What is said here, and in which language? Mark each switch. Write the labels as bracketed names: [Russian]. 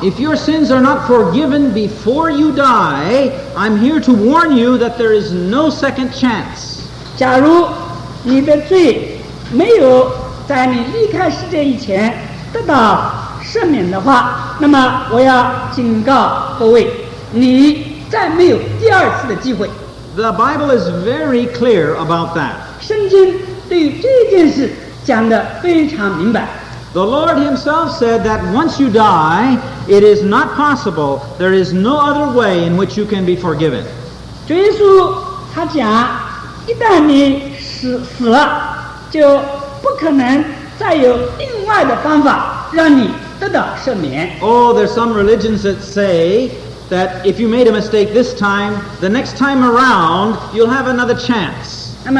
[English] If your sins are not forgiven before you die, I'm here to warn you that there is no second chance. [Chinese] 假如你的罪没有在你离开世界以前得到 赦免的话，那么我要警告各位，你再没有第二次的机会。 [English] The Bible is very clear about that. [Chinese] 圣经对于这件事讲得非常明白。 [English] The Lord himself said that once you die, it is not possible, there is no other way in which you can be forgiven. [Chinese] 主耶稣他讲，一旦你死了，就不可能再有另外的方法让你 [English] Oh, there's some religions that say that if you made a mistake this time, the next time around, you'll have another chance.